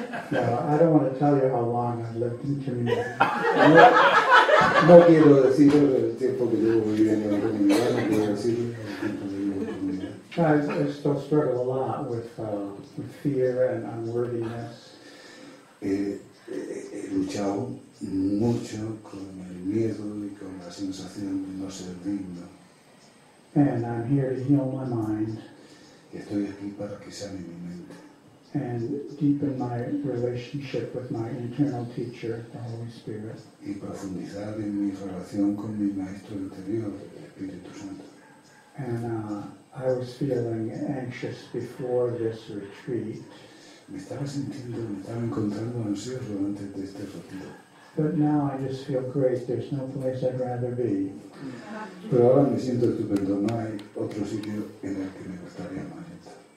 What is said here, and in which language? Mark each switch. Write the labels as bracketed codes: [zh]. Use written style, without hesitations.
[en] No, I don't want to tell you how long I've lived in community. [es] No quiero decir el tiempo que llevo viviendo en comunidad. No quiero decir el tiempo que llevo comunidad. [en] I still struggle a lot with fear and unworthiness. [es] He luchado mucho con el miedo y con la sensación de no ser digno. [en] And I'm here to heal my mind. [es] Estoy aquí para que sane mi mente. [en] And deepen my relationship with my internal teacher, the Holy Spirit. [es] Y profundizar en mi relación con mi maestro interior, el Espíritu Santo. [en] And I was feeling anxious before this retreat. [es] Me estaba sintiendo, me estaba encontrando ansioso antes de este retiro. [en] But now I just feel great. There's no place I'd rather be. [es] Pero ahora me siento estupendo. No hay otro sitio en el que me gustaría más estar.